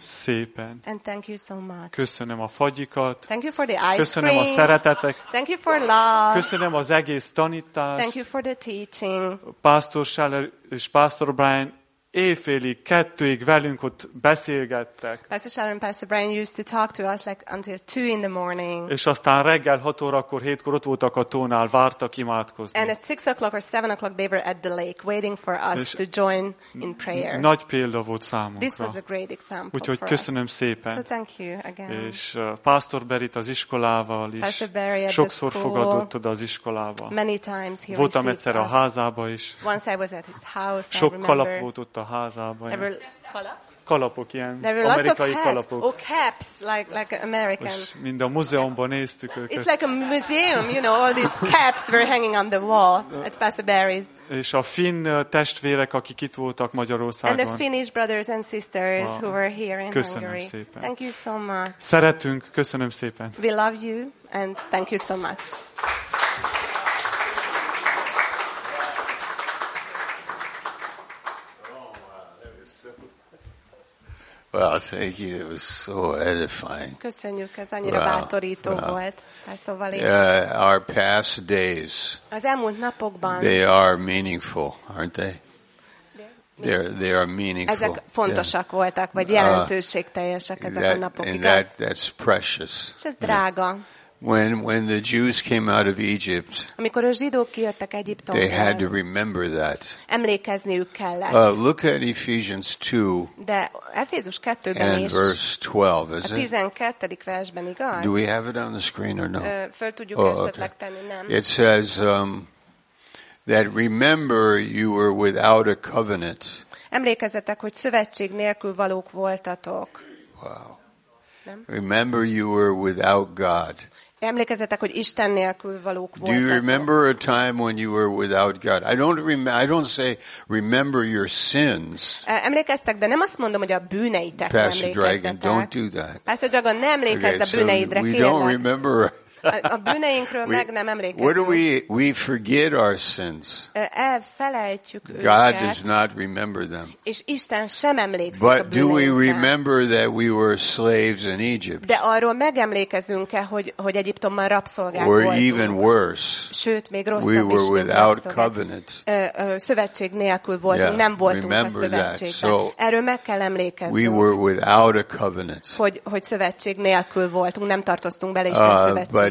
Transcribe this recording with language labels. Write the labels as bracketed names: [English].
[Hungarian] Szépen. [English] And thank you so much. [Hungarian] Köszönöm a fagyikat. [English] Thank you for the ice cream. [Hungarian] Köszönöm a szeretetek. [English] Thank you for love. [Hungarian] Köszönöm az egész tanítást. [English] Thank you for the teaching. [Hungarian] Pastor Scheller és Pastor Brian éjfélig kettőig velünk ott beszélgettek. [English] Pastor Scheller and Pastor Brian used to talk to us like until 2 in the morning. [Hungarian] És aztán reggel 6 órakor, 7-kor ott voltak a tónál, vártak imádkozni. [English] And at 6 o'clock or 7 o'clock they were at the lake waiting for us to join in prayer. [Hungarian] Nagy példa volt számunkra. [English] This was a great example. [Hungarian] Úgyhogy köszönöm szépen. [English] So thank you again. [Hungarian] És Pastor Berit az iskolával is sokszor fogadott oda az iskolába. [English] Many times he [Hungarian] voltam egyszer a házába is. [English] Once I was at his house. [Hungarian] Sok kalap volt ott a házában. Kalapok ilyen. Amerikai kalapok. [English] Or caps like American. [Hungarian] Mind a múzeumban néztük őket. [English] It's like a museum, you know, all these caps were hanging on the wall at Passaberry's. [Hungarian] És a finn testvérek, akik itt voltak Magyarországon. [English] And the Finnish brothers and sisters who were here in [Hungarian] köszönöm [English] Hungary. [Hungarian] Köszönöm szépen. [English] Thank you so much. [Hungarian] Szeretünk, köszönöm szépen. [English] We love you and thank you so much. Well, thank you. It was so edifying. [Hungarian] Köszönjük, ez annyira bátorító volt. Pastor Vali. [English] Our past days. [Hungarian] Az elmúlt napokban. [English] They are meaningful, aren't they? They are meaningful. [Hungarian] Ezek fontosak voltak, vagy jelentőségteljesek ezek [English] that, [Hungarian] a napok, [English] and [Hungarian] igaz? [English] That's precious. [Hungarian] És ez drága. [English] When the Jews came out of Egypt, [Hungarian] amikor a zsidók kijöttek Egyiptomból, [English] they had to remember that. [Hungarian] Emlékezniük kellett. [English] Look at Ephesians 2. [Hungarian] De Efézus 2-ben [English] and [Hungarian] is. [English] Verse 12, is [Hungarian] a 12. versben, igaz? [English] Do we have it on the screen or no? [Hungarian] Föl tudjuk esetleg tenni, nem? [English] It says that remember you were without a covenant. [Hungarian] Emlékezzetek, hogy szövetség nélkül valók voltatok. [English] Wow. Remember you were without God. [Hungarian] Emlékezzetek, hogy Isten nélkül valók voltatok. [English] Do you remember a time when you were without God? I don't say remember your sins. [Hungarian] Emlékeztek, de nem azt mondom, hogy a bűneitek. [English] Pastor Dragon, don't do that. [Hungarian] Pastor Dragon, ne emlékezz a bűneidre. [English] We don't remember. [Hungarian] A bűneinkről meg nem emlékezünk. [English] What do we forget our sins? [Hungarian] Elfelejtjük őket. [English] God does not remember them. [Hungarian] És Isten sem emlékszik a bűneinkre. [English] But do we remember that we were slaves in Egypt? [Hungarian] De arról megemlékezünk-e, hogy Egyiptomban rabszolgák voltunk? [English] Or even worse. [Hungarian] Sőt, még rosszabb [English] is. We were without covenant. [Hungarian] Szövetség nélkül voltunk, [English] yeah, [Hungarian] nem voltunk a szövetségben. [English] So [Hungarian] erről meg kell emlékeznünk. [English] We were without a covenant. [Hungarian] Hogy szövetség nélkül voltunk, nem tartoztunk bele Isten szövetségbe.